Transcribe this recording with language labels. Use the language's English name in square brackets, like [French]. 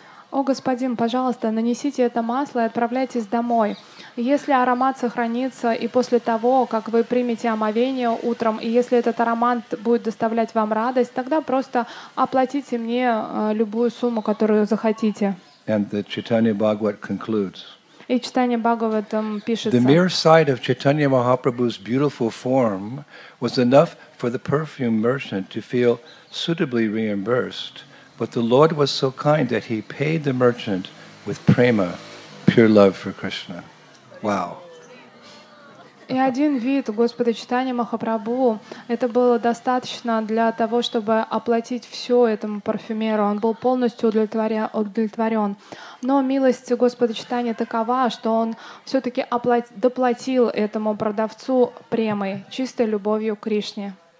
[Russian] О, господин, пожалуйста, нанесите это масло и отправляйтесь домой. Если аромат сохранится и после того, как вы примете омовение утром, и если этот аромат будет доставлять вам радость, тогда просто оплатите мне любую сумму, которую захотите. [English] And the Chaitanya Bhagavat concludes. [Russian] И Чайтанья Бхагаватам пишется. [English] The mere sight of Chaitanya Mahaprabhu's beautiful form was enough for the perfume merchant to feel suitably reimbursed. But the Lord was so kind that he paid the merchant with prema, pure love for Krishna. Wow. [Russian] И один вид Господа Чайтанья Махапрабху, это было достаточно для того, чтобы оплатить все этому парфюмеру. Он был полностью удовлетворен. Но милость Господа Чайтанья такова, что он все-таки доплатил этому продавцу премой, чистой любовью к Кришне.